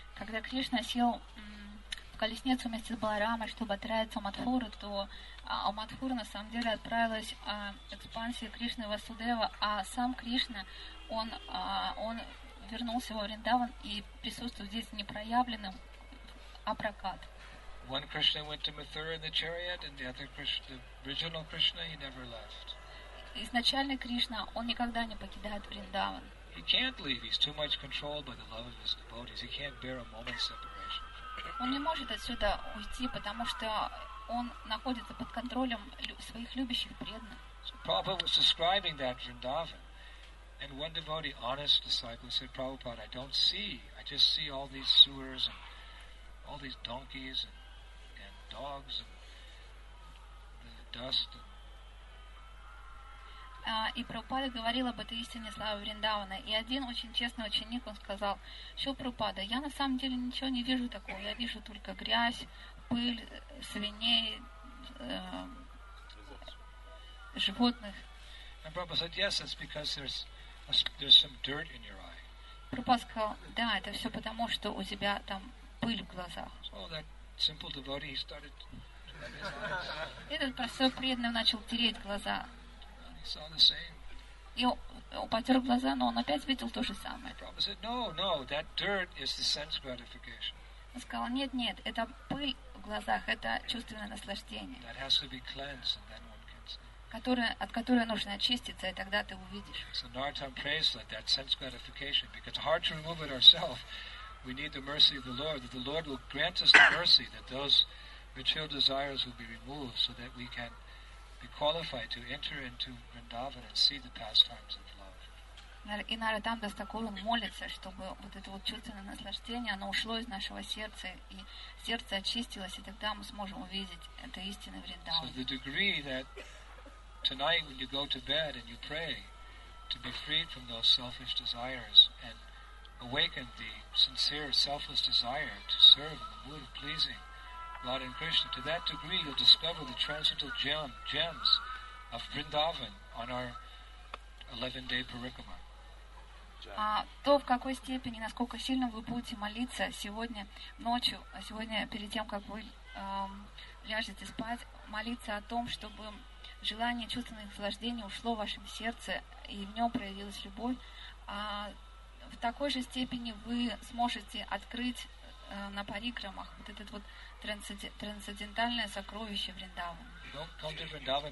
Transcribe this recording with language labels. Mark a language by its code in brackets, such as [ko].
[ru] Когда Кришна сел в колесницу вместе с Баларамой, чтобы отправиться в Матхуру, то у Матхуры на самом деле отправилась экспансия Кришны Васудева, а сам Кришна, он вернулся во Вриндаван и присутствует здесь непроявленным апракат. [en] One Krishna went to Mathura in the chariot, and the other Krishna, the original Krishna, he never left. [ru] Изначальный Кришна, он никогда не покидает Вриндаван. [en] He can't leave. He's too much controlled by the love of his devotees. He can't bear a moment's separation. [ru] Он не может отсюда уйти, потому что он находится под контролем своих любящих преданных. [en] So Prabhupada was describing that Vrindavan, and one devotee, honest disciple, said, "Prabhupada, I don't see. I just see all these sewers and all these donkeys and." Dogs and the dust. And... [ru] и Прабхупада говорил об этой истине славы Вриндавана. И один очень честный ученик, он сказал: «Шрила Прабхупада, я на самом деле ничего не вижу такого. Я вижу только грязь, пыль, свиней, животных». [en] And Prabhupada said, yes, it's because there's some dirt in your eye. [ru] Прабхупада сказал: «Да, это все потому, что у тебя там пыль в глазах». [en] So that simple devotee, he started [ru] Этот простой преданный начал тереть глаза. И он потер глаза, но он опять видел то же самое. [en] Prabhupada said, no, no, that dirt is the sense gratification. [ru] Он сказал: нет, нет, это пыль в глазах, это чувственное наслаждение. [en] That has to be cleansed, and then one can see. [ru] От которой нужно очиститься, и тогда ты увидишь. [en] So Narottam prays like that sense gratification, because it's hard to remove it ourselves. We need the mercy of the Lord, that the Lord will grant us the mercy, that those material desires will be removed, so that we can be qualified to enter into Vrindavan and see the pastimes of love. [ru] И Нарадам Дас Такур молится, чтобы вот это вот чувственное наслаждение, оно ушло из нашего сердца, и сердце очистилось, и тогда мы сможем увидеть это истинное Вриндаван. [en] So the degree that tonight when you go to bed and you pray to be freed from those selfish desires and awaken the sincere, selfless desire to serve in the mood of pleasing Lord and Krishna, to that degree you'll discover the transcendental gems of Vrindavan on our 11-day parikrama. [ru] То, в какой степени, насколько сильно вы будете молиться сегодня ночью, сегодня перед тем, как вы ляжете спать, молиться о том, чтобы желание чувственных наслаждений ушло в вашем сердце и в нем проявилась любовь, в такой же степени вы сможете открыть на парикрамах вот этот вот трансцендентальное сокровище Вриндаван.